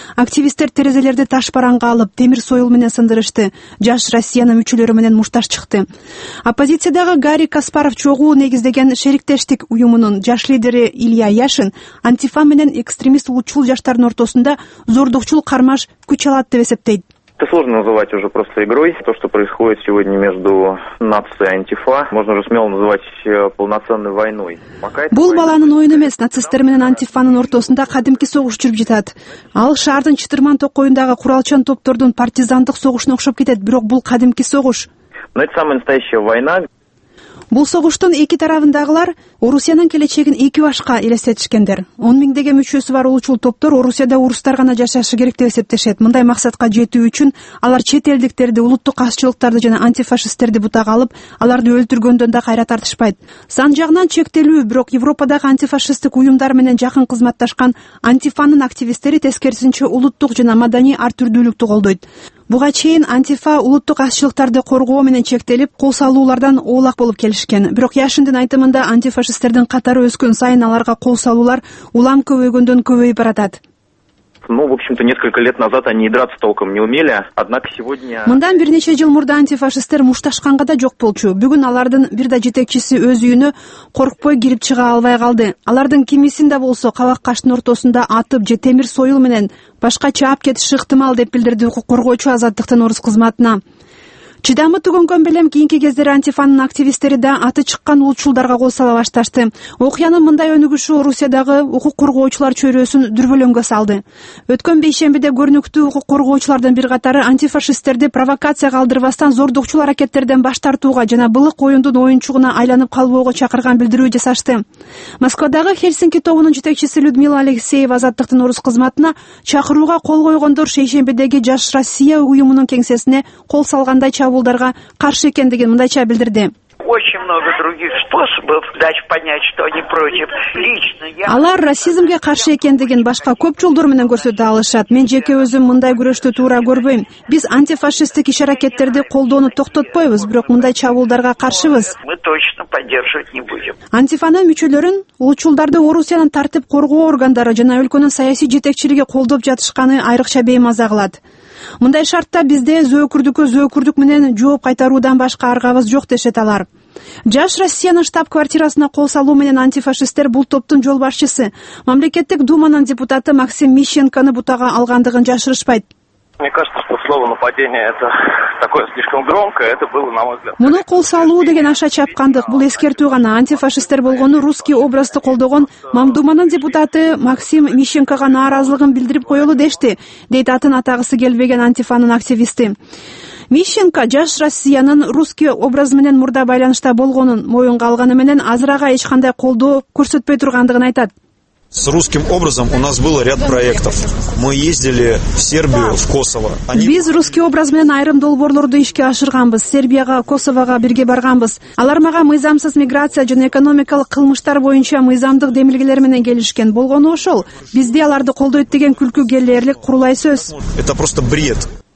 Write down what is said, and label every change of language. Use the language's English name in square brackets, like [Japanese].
[Kyrgyz] Активисттер терезелерди таш бараңга алып, темир союл менен сындырышты. Жаш Россиянын мүчөлөрү менен мушташ чыкты. Оппозициядагы Гарри Каспаров чогуу негиздеген шериктештик уюмунун жаш лидери Илья Яшин антифа менен экстремист улутчул жаштардын ортосунда зордукчул кармаш күч алат деп эсептейт. [Russian] Это сложно называть уже просто игрой. То, что происходит сегодня между нацией и антифа, можно уже смело называть полноценной войной. [Kyrgyz] Бул баланын оюну эмес, нацисттер менен антифанын ортосунда кадимки согуш жүрүп жатат. Ал шаардын чытырман токоюндагы куралчан топтордун партизандык согушуна окшоп кетет, бирок бул кадимки согуш. [Russian] Но это самая настоящая война. [Kyrgyz] Бул согуштун эки тарабындагылар Орусиянын келечегин эки башка элестетишкендер. 10 миңдеген мүчөсү бар улутчул топтор Орусияда урустар гана жашашы керек деп эсептешет. Мындай максатка жетүү үчүн алар чет элдиктерди, улуттук азчылыктарды жана антифашисттерди бутага алып, аларды өлтүргөндөн да кайра тартышпайт. Сан жагынан чектелүү, бирок Европадагы антифашисттик уюмдар менен жакын кызматташкан антифанын активисттери тескерисинче улуттук жана маданий ар түрдүүлүктү колдойт. Буга чейин антифа улуттук азчылыктарды коргоо менен чектелип, кол салуулардан оолак болуп келишкен. Бирок Яшиндин айтымында антифашисттердин катары өскөн сайын аларга кол салуулар улам көбөйгөндөн көбөйүп баратат. [Russian] Ну, в общем-то, несколько лет назад они и драться толком не умели, однако сегодня... [Kyrgyz] Мындан бир нече жыл мурда антифашисттер мушташканга да жок болчу. Бүгүн алардын бир да жетекчиси өз үйүнө коркпой кирип чыга албай калды. Алардын кимисин да болсо кабак каштын ортосунда атып же темир союл менен башка чаап кетиши ыктымал деп билдирди укук коргоочу Азаттыктын орус кызматына. Чыдамы түгөнгөн белем кийинки кездери антифанын активисттери да аты чыккан улутчулдарга кол сала башташты. Окуянын мындай өнүгүшү Орусиядагы укук коргоочулар чөйрөсүн дүрбөлөңгө салды. Өткөн бейшембиде көрүнүктүү укук коргоочулардын бир катары антифашисттерди провокацияга алдырбастан зордукчул аракеттерден баш тартууга жана былык оюндун оюнчугуна айланып калбоого чакырган билдирүү жасашты. Москвадагы Хельсинки тобунун жетекчиси Людмила Алексеева Азаттыктын орус кызматына чакырууга кол койгондор шейшембидеги Жаш Россия уюмунун кеңсесине кол салгандай чабуулдарга каршы экендигин мындайча билдирди. [Russian] Очень много других способов дать понять, что они против. Лично я... [Kyrgyz] Алар расизмге каршы экендигин башка көп жолдор менен көрсөтө алышат. Мен жеке өзүм мындай күрөштү туура көрбөйм. Биз антифашисттик иш-аракеттерди колдоону токтотпойбуз, бирок мындай чабуулдарга каршыбыз. [Russian] Мы точно поддерживать не будем. [Kyrgyz] Антифанын мүчөлөрүн улутчулдарды Орусиянын тартип коргоо органдары жана өлкөнүн саясий жетекчилиги колдоп жатышканы айрыкча беймаза кылат. Мындай шартта бизде зөөкүрдүккө зөөкүрдүк менен жооп кайтаруудан башка аргабыз жок дешет алар. Жаш Россиянын штаб-квартирасына кол салуу менен антифашисттер бул топтун жолбашчысы, мамлекеттик думанын депутаты Максим Мищенконы бутага алгандыгын жашырышпайт. [Russian] Мне кажется, что слово нападение это такое слишком громкое, это было, на мой взгляд. [Kyrgyz] Муну кол салуу деген аша чапкандык, бул эскертүү гана. Антифашисттер болгону русский образды колдогон Мамдуманын депутаты Максим Мищенкога нааразылыгын билдирип коёлу дешти, дейт атын атагысы келбеген антифанын активисти. Мищенко жаш Россиянын русский образ менен мурда байланышта болгонун моюнга алганы менен азырага эч кандай колдоо көрсөтпөй тургандыгын айтат. [Russian] С русским образом у нас был ряд проектов. Мы ездили в Сербию, в Косово. [Kyrgyz] Биз русский образ менен айрым долбоорлорду ишке ашырганбыз. Сербияга, Косовага бирге барганбыз. Алар мага мыйзамсыз миграция жана экономикалык кылмыштар боюнча мыйзамдык демилгелер менен келишкен. Болгону ошол. Бизди аларды колдойт деген күлкү келерлик курулай сөз. [Russian] Это просто бред.